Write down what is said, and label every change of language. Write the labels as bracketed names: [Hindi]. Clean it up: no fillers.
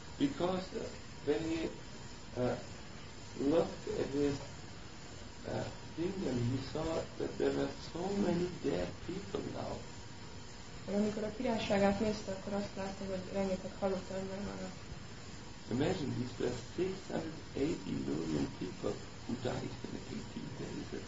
[English] Because when he looked at his kingdom, he saw that there were so many dead people now. [Hungarian] Amikor a királyságát nézte, akkor azt látta, hogy rengeteg halott ember van. [English] Imagine these were 680 million people who died in 18 days.